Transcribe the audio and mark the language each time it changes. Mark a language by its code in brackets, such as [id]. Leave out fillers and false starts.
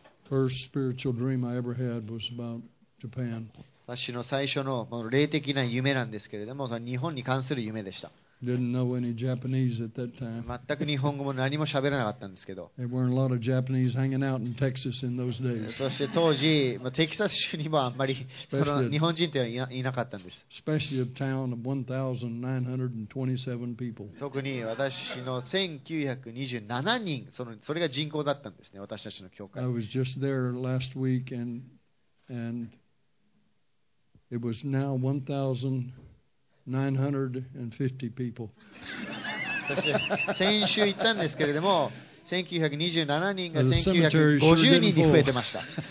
[en] First spiritual dream I ever had was about Japan. [ja] 私の最初の霊的な夢なんですけれども、日本に関する夢でした。 [en] Didn't know any Japanese at that time. [ja] 全く日本語も何も喋らなかったんですけど。 [en] There weren't a lot of Japanese hanging out in Texas in those days. [ja] そして当時、テキサス州にもあんまりその日本人というのはいなかったんです。 [en] Especially a town of 1,927 people. [ja] 特に私の1,927人、それが人口だったんですね、私たちの教会。 [en] I was just there last week and it was now 1,950 people. [ja] 先週行ったんですけれども、1927人が1950人に増えてました。